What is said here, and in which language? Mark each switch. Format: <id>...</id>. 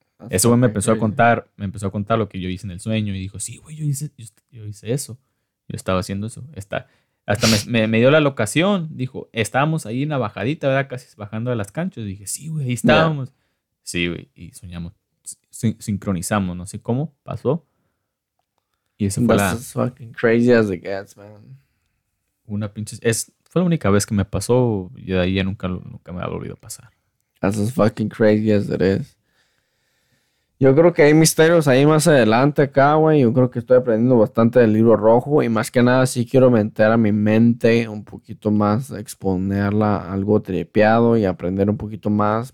<es>Ese güey me empezó a contar lo que yo hice en el sueño y dijo, sí, güey, yo hice eso. Yo estaba haciendo eso. Hasta me dio la locación. Dijo, estábamos ahí en la bajadita, ¿verdad? Casi bajando de las canchas. Y dije, sí, güey, ahí estábamos. Yeah. Sí, güey, y soñamos. Sincronizamos, no sé cómo pasó. Y eso fue</es> <en>That's as fucking crazy as it gets, man.</en> <es>Una pinche. Fue la única vez que me pasó y de ahí ya nunca me ha volvido a pasar.</es> <en>That's as fucking crazy as it is.</en> <es>Yo creo que hay misterios ahí más adelante acá, güey. Yo creo que estoy aprendiendo bastante del libro rojo. Y más que nada, sí quiero meter a mi mente un poquito más, exponerla a algo tripeado y aprender un poquito más.</es>